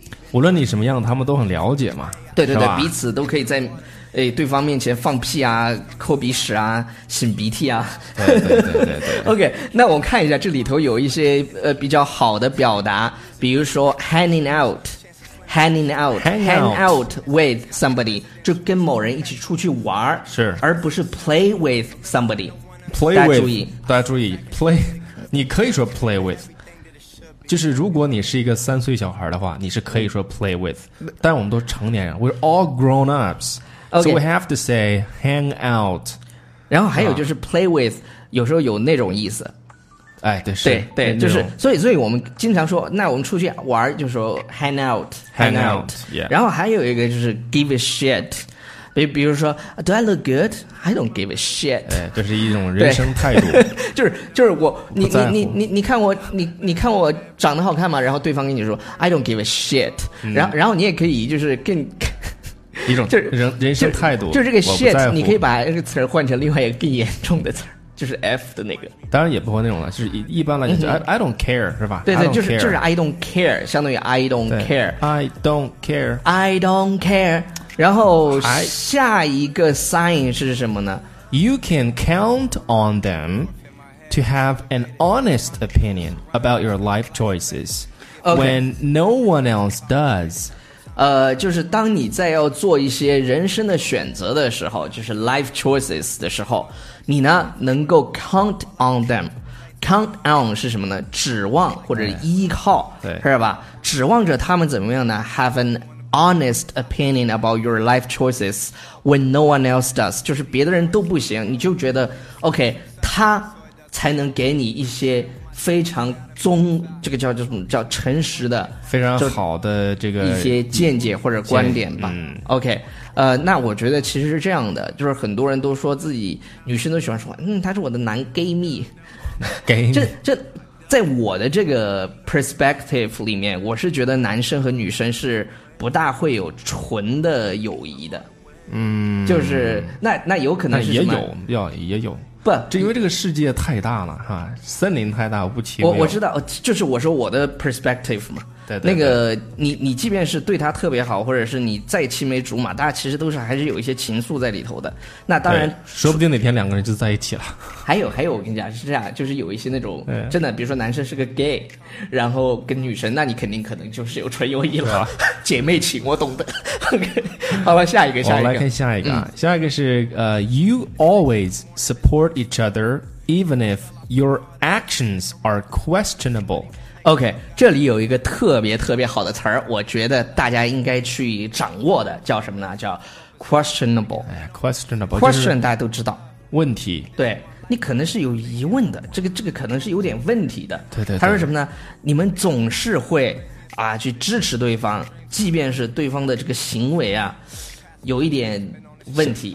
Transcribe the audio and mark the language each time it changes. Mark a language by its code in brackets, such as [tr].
[zh] 无论你什么样他们都很了解嘛。对对对，彼此都可以在对方面前放屁啊，抠鼻屎啊，擤鼻涕啊。对对对对对。 OK， 那我看一下这里头有一些比较好的表达，比如说 [en] hanging out with somebody， [zh] 就跟某人一起出去玩，是而不是 [en] play with somebody。 play with， [zh] 大家注意 play， 你可以说 play with，就是如果你是一个三岁小孩的话，你是可以说 play with， 但我们都成年人， [en] we're all grown ups， okay， so we have to say hang out。 [zh] 然后还有就是 play with 有时候有那种意思。哎，对，是，对对，就是所以我们经常说，那我们出去玩就说 hang out、 [en] yeah。 [zh] 然后还有一个就是 give a shit，比如说 [en] Do I look good? I don't give a shit。 [zh] 这是一种人生态度。就是我你看我长得好看吗？然后对方跟你说 [en] I don't give a shit， [zh] 然后你也可以就是更一种人生态度。就这个 shit 你可以把这个词换成另外一个更严重的词，就是 F 的那个。当然也不会那种了，就是一般来讲就 [en] I don't care， [zh] 是吧？对对，就是 [en] I don't care， [zh] 相当于 I don't care。 [en] I don't care。 [zh] 然后下一个 sign 是什么呢？ [en] You can count on them to have an honest opinion about your life choices when no one else does。 [zh] 就是当你在要做一些人生的选择的时候，就是 life choices 的时候，你呢能够 [en] count on them。 [zh] count on 是什么呢？指望或者依靠，对，是吧？指望着他们怎么样呢？ have an [en] honest opinion about your life choices when no one else does. [zh] 就是别的人都不行，你就觉得 OK， 他才能给你一些非常忠，这个叫什么叫诚实的，非常好的这个一些见解或者观点吧。嗯、 OK， 那我觉得其实是这样的，就是很多人都说自己女生都喜欢说，嗯，他是我的男 gay 蜜。 gay 这在我的这个 perspective 里面，我是觉得男生和女生是不大会有纯的友谊的。嗯，就是那有可能是什么，那也有，要也有。不，这因为这个世界太大了哈，森林太大，我不骑。我知道，就是我说我的 perspective 嘛。对 对, 对。那个你即便是对他特别好，或者是你再青梅竹马，大家其实都是还是有一些情愫在里头的。那当然，说不定哪天两个人就在一起了。还有，我跟你讲是这样，就是有一些那种真的，比如说男生是个 gay， 然后跟女生，那你肯定可能就是有纯友谊了，姐妹情，我懂的。好吧，下一个，下一个，我来看下一个，下一个是 [en] you always support each other even if your actions are questionable。 [zh] OK， 这里有一个特别特别好的词儿，我觉得大家应该去掌握的，叫什么呢？叫 questionable。 [en] 哎 ，questionable。 [zh] question 大家都知道，问题。对，你可能是有疑问的，这个可能是有点问题的。对 对, 对。他说什么呢？你们总是会啊去支持对方，即便是对方的这个行为啊有一点问题。